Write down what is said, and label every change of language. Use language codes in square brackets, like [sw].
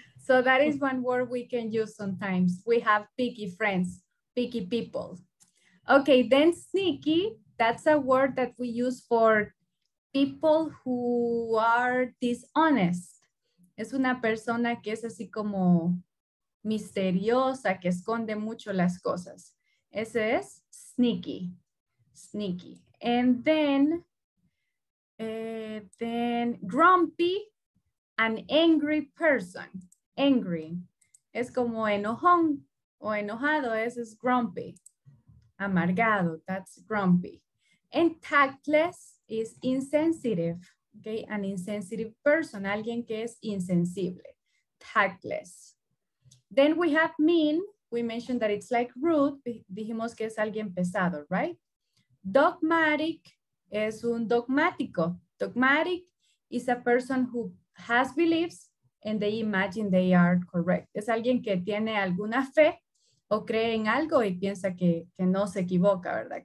[en] So that is one word we can use sometimes. We have picky friends, picky people. Okay, then sneaky, that's a word that we use for people who are dishonest. [es] Es una persona que es así como misteriosa, que esconde mucho las cosas. Ese es [en] sneaky, sneaky. And then grumpy, an angry person, angry. [es] Es como enojón o enojado, ese es grumpy. Amargado, [en] that's grumpy. And tactless is insensitive, okay? An insensitive person, [es] alguien que es insensible, [en] tactless. Then we have mean, we mentioned that it's like rude, [es] dijimos que es alguien pesado, [en] right? Dogmatic [es] es un dogmático. [en] Dogmatic is a person who has beliefs and they imagine they are correct. [es] Es alguien que tiene alguna fe o cree en algo y piensa que no se equivoca, ¿verdad?